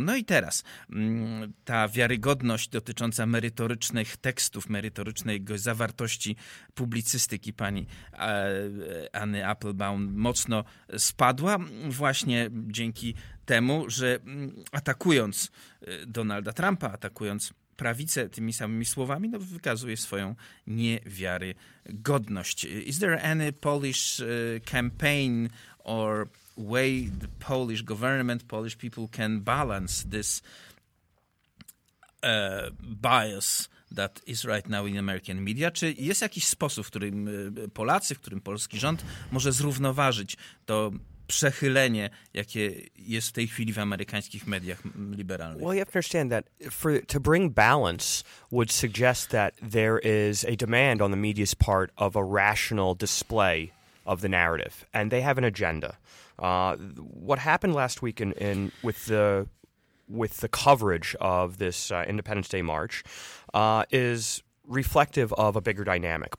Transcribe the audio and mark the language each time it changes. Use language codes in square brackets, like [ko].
[pl] No i teraz ta wiarygodność dotycząca merytorycznych tekstów, merytorycznej zawartości publicystyki pani Anny Applebaum mocno spadła właśnie dzięki temu, że atakując Donalda Trumpa, atakując prawicę tymi samymi słowami, no wykazuje swoją niewiarygodność. [en] Is there any Polish campaign or way the Polish government, Polish people can balance this bias that is right now in American media? [pl] Czy jest jakiś sposób, w którym Polacy, w którym polski rząd może zrównoważyć to przechylenie, jakie jest w tej chwili w amerykańskich mediach liberalnych? [en] Well, you have to understand that to bring balance would suggest that there is a demand on the media's part of a rational display of the narrative, and they have an agenda. What happened last week with the coverage of this Independence Day march is reflective of a bigger dynamic.